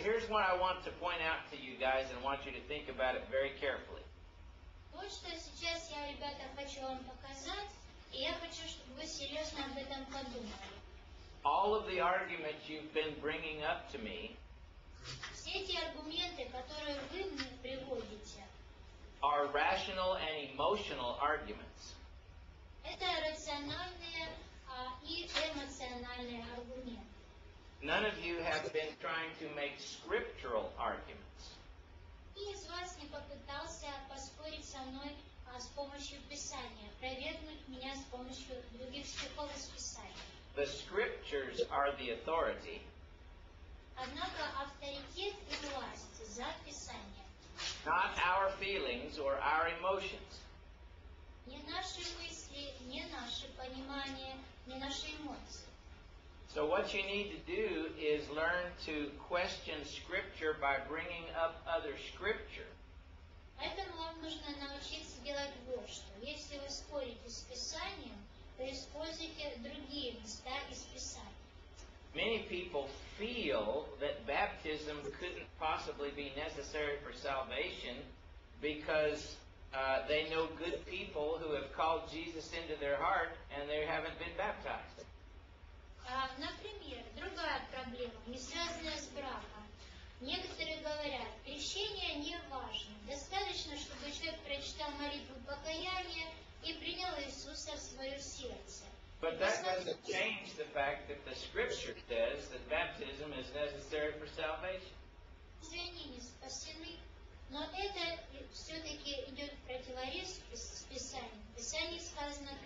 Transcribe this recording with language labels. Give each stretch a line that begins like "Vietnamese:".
English: here's what I want to point out to you guys and want you to think about it very carefully.
Russian: Вот что сейчас я, ребята, хочу вам показать, и я хочу, чтобы вы серьезно об этом подумали.
English: All of the arguments you've been bringing up to me,
Russian: все эти аргументы, которые вы мне приводите,
English: are rational and emotional arguments.
Russian: Это рациональные и эмоциональные аргументы.
English: None of you have been trying to make scriptural arguments.
Russian: Кто из вас не попытался поспорить со мной с помощью Писания, опровергнуть меня с помощью других стихов из Писания?
English: The scriptures are the authority.
Russian: Однако авторитет и власть за Писание.
English: Not our feelings or our emotions.
Russian: Не наши мысли, не наше понимание, не наши эмоции.
English: So what you need to do is learn to question Scripture by bringing up other Scripture.
Russian: Поэтому вам нужно научиться делать вот что. Если вы спорите с Писанием, то используйте другие места из Писания.
English: Many people feel that baptism couldn't possibly be necessary for salvation because they know good people who have called Jesus into their heart and they haven't been baptized.
Russian: Например, другая проблема, не связанная с браком. Некоторые говорят, крещение не важно. Достаточно, чтобы человек прочитал молитву покаяния и принял Иисуса в свое сердце.
English: But that doesn't change the fact that the scripture says that baptism is necessary for salvation.
Russian: Они не спасены, но это все-таки идет в противорез с Писанием.